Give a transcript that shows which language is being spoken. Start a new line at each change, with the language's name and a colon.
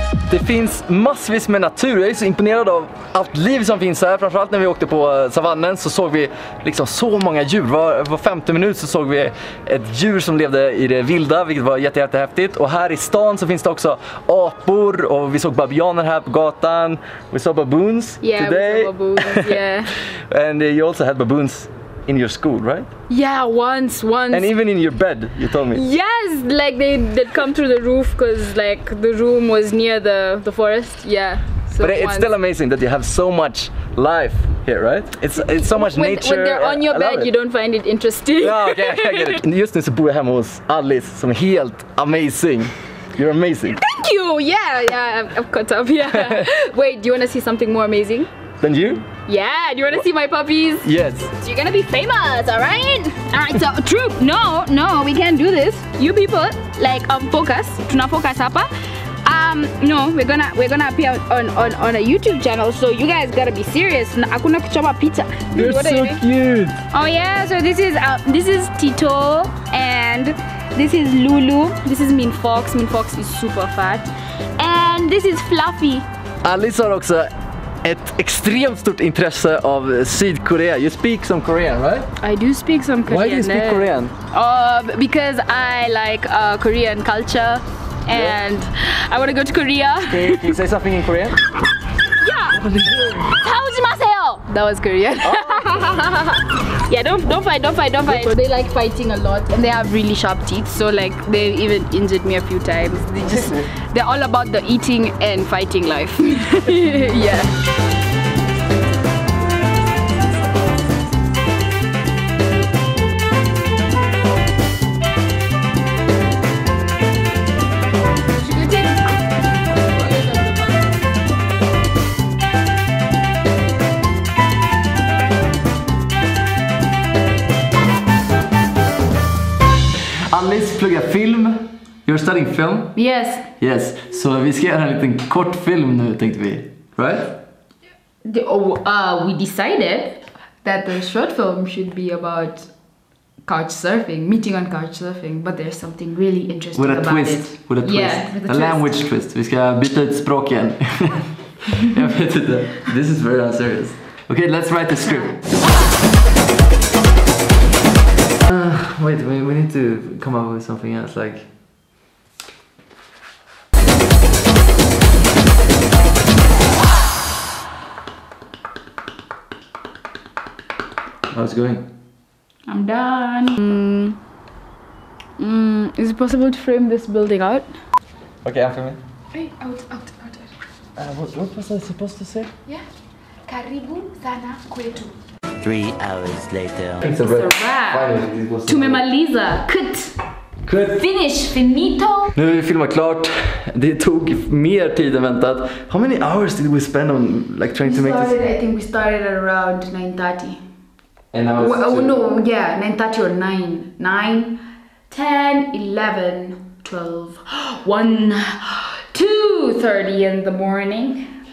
Swedish: Det finns massvis med natur, jag är så imponerad av allt liv som finns här. Framförallt när vi åkte på savannen så såg vi liksom så många djur. Var 50 minuter så såg vi ett djur som levde i det vilda, vilket var jättehäftigt. Och här i stan så finns det också apor och vi såg babianer här på gatan.
English: We saw baboons yeah, today. Yeah, we saw baboons, yeah. And you also had baboons in your school, right? Yeah, once. And even in your bed, you told me. Yes, like they'd come through the roof because like the room was near the forest. Yeah. So but it's still amazing that you have so much life here, right? It's so much nature. When they're on your bed, you don't find it interesting. No, okay, I get it.
Swedish: Just nu så bor jag hemma hos Alice som är helt amazing.
English: You're amazing. Thank you. Yeah, I've caught up. Yeah. Wait, do you want to see something more amazing? Than you? Yeah, do you want to see my puppies? Yes. So you're gonna be famous, all right? All right, so troop, no, we can't do this. You people, like, focus. Do not focus, apa? No, we're gonna appear on a YouTube channel, so you guys gotta be serious.
Swahili: Akuna kuchoma pizza.
English: You're so cute. Oh yeah, so this is Tito, and this is Lulu. This is Min Fox. Min Fox is super fat. And this is Fluffy.
Swedish: Alice har också ett extremt stort intresse av Sydkorea.
English: You speak some Korean, right? I do speak some Korean. Why do you speak Korean? Because I like Korean culture. And yeah. I want to go to Korea. Can you say something in Korean? Yeah.
Korean: 사우지마세요.
English: That was Korean. Oh. Yeah, don't fight. So they like fighting a lot, and they have really sharp teeth. So like they even injured me a few times. They're all about the eating and fighting life. Yeah.
Swedish: Plugga film.
English: You're studying film? Yes. Yes.
Swedish: Så vi ska göra en liten kort film nu, tänkte vi.
English: Right? We decided that the short film should be about couch surfing, meeting on couch surfing, but there's something really interesting about it. With a twist. Yeah, with a twist. Language twist.
Swedish: Vi ska byta ett språk igen. Jag vet inte.
English: This is very unserious. Okay, let's write the script. Wait, we need to come up with something else, like... How's it going? I'm done. Is it possible to frame this building out? Okay, I'm filming. Out. What was I supposed to say?
Swahili: Yeah. Karibu sana kwetu.
English: 3 hours later. It's a wrap.
Swahili: Tumemaliza. Kut. Kut.
English: Finish. Finito.
Swedish: Nu är vi filmat klart. Det tog mer tid än väntat.
English: How many hours did we spend on like trying to make this? I think we started at around 9:30. And now it's 9:30 or 9:10, 11:12, 1:30 in the morning.